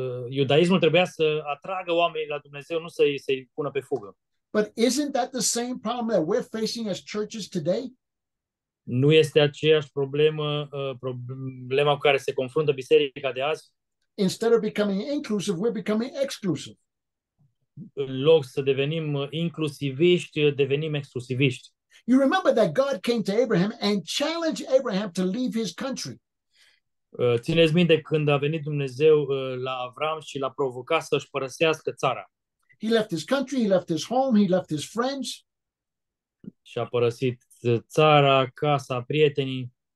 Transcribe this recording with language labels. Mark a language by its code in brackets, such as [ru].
[ro] Iudaismul trebuia să atragă oamenii la Dumnezeu, nu să-i pună pe fugă. [en] But isn't that the same problem that we're facing as churches today? [ro] Nu este aceeași problema cu care se confruntă biserica de azi? [en] Instead of becoming inclusive, we're becoming exclusive. [ro] În loc să devenim inclusiviști, devenim exclusiviști. [en] You remember that God came to Abraham and challenged Abraham to leave his country. [ro] Țineți minte când a venit Dumnezeu la Avram și l-a provocat să-și părăsească țara. [en] He left his country, he left his home, he left his friends. [ro] Și a părăsit țara, casa, prietenii.